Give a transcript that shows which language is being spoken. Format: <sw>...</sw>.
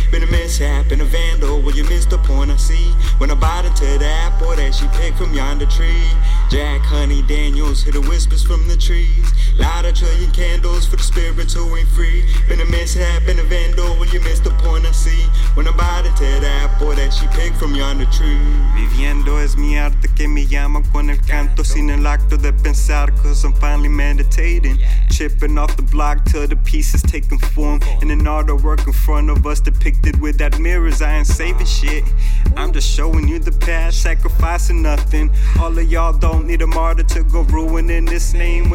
<en>Been a mishap and a vandal, well you missed the point I see. When I bite into that boy that she picked from yonder tree. Jack, honey, Daniels, hear the whispers from the trees. Light a trail your candles for the spirits who ain't free. Been a mishap and a vandal, well you missed the point I see. When I bite into that boy that she picked from yonder tree.</en> <es>Viviendo es mi arte que me llama con el canto. Sin el acto de pensar,</es> <en>cause I'm finally meditating. Chipping off the block till the piece is taking form. In an artwork in front of us depicted with that mirrors. I ain't saving shit, I'm just showing you the path. Sacrificing nothing. All of y'all don't need a martyr to go ruining this name.</en>